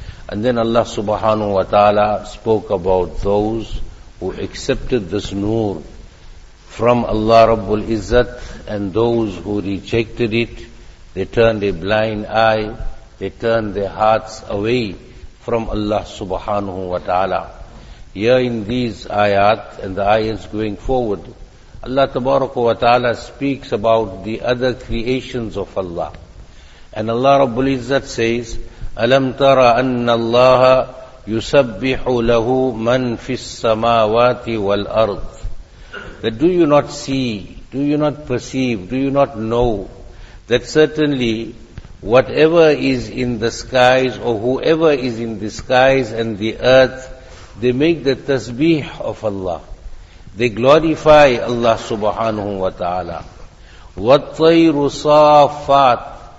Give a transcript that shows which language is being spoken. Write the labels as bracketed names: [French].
[English] And then Allah Subhanahu wa Ta'ala spoke about those who accepted this Nur from Allah Rabbul Izzat, and those who rejected it, they turned a blind eye, they turned their hearts away from Allah subhanahu wa ta'ala. Here in these ayat and the ayats going forward, Allah tabaraka wa ta'ala speaks about the other creations of Allah. And Allah Rabbul Izzat says, [Arabic] أَلَمْ تَرَ أَنَّ اللَّهَ يُسَبِّحُ لَهُ مَنْ فِي السَّمَاوَاتِ وَالْأَرْضِ. [English] That do you not see, do you not perceive, do you not know that certainly whatever is in the skies or whoever is in the skies and the earth, they make the tasbih of Allah. They glorify Allah subhanahu wa ta'ala. [Arabic] وَالطَّيْرُ صَافَاتٍ.